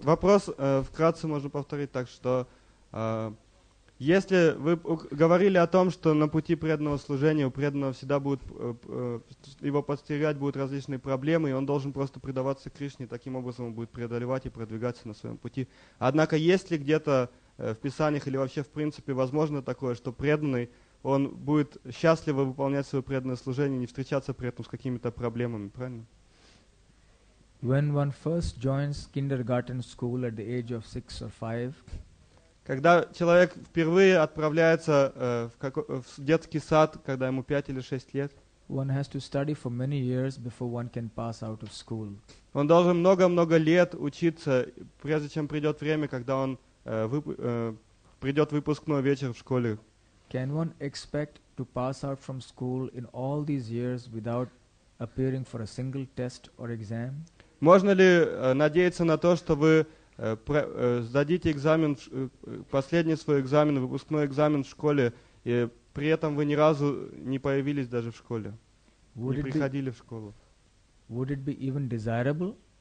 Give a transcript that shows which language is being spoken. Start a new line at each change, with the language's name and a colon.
Russian: Вопрос вкратце можно повторить так, что... Если вы говорили о том, что на пути преданного служения у преданного всегда будут его подстерегать будут различные проблемы, и он должен просто предаваться Кришне, таким образом он будет преодолевать и продвигаться на своем пути. Однако есть ли где-то в Писаниях или вообще в принципе возможно такое, что преданный, он будет счастливо выполнять свое преданное служение, не встречаться при этом с какими-то проблемами, правильно?
English: When one first joins kindergarten school at the age of 6 or 5,
Russian: когда человек впервые отправляется в детский сад, когда ему 5 или 6 лет,
English: one has to study for many years before one can pass out of school.
Russian: Он должен много-много лет учиться, прежде чем придет время, когда он придет выпускной вечер в школе.
English: Can one expect to pass out from school in all these years without appearing for a single test or exam?
Russian: Можно ли надеяться на то, что вы сдадите экзамен, последний свой экзамен, выпускной экзамен в школе, и при этом вы ни разу не появились даже в школе,
English: would
Russian: не приходили в школу.
English: Would it be even desirable?